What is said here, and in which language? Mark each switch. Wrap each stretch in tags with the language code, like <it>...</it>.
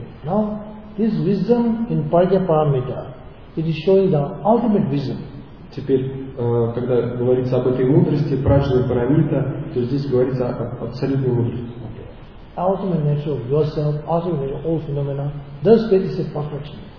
<en>Now, this wisdom in Parijaya Paramita, it is showing the ultimate wisdom.</en> <ru>Теперь, когда говорится об этой мудрости, праджна парамита, то здесь говорится о абсолютной мудрости.</ru> <en>Okay. Ultimate nature of yourself, ultimate nature of all phenomena, this state is a perfection.</en>